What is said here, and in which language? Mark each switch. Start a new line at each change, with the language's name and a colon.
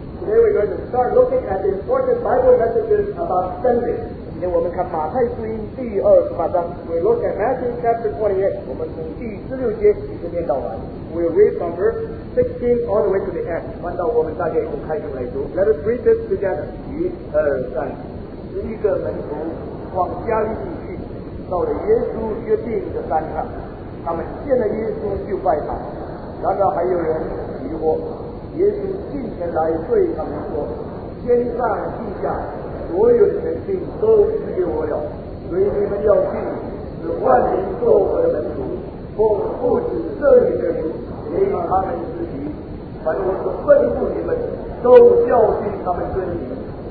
English: Today we're going to start looking at the important Bible messages about spending.
Chinese: 今天我们看马太福音第28章。
English: We look at Matthew chapter 28.
Chinese: 我们从第16节一直念到完。
English: We read from verse 16 all the way to the end.
Chinese: 翻到我们大家一同开始来读。
English: Let us read this together.
Chinese: 一、二、三。十一个门徒往加利利去，到了耶稣约定的山上，他们见了耶稣就拜他。然而还有人疑惑，耶稣近前来对他们说：“天上地下所有的权柄都赐给我了，所以你们要去，使万民做我的门徒，奉父子圣灵的名领他们施洗，凡我所吩咐你们，都教训他们遵行。”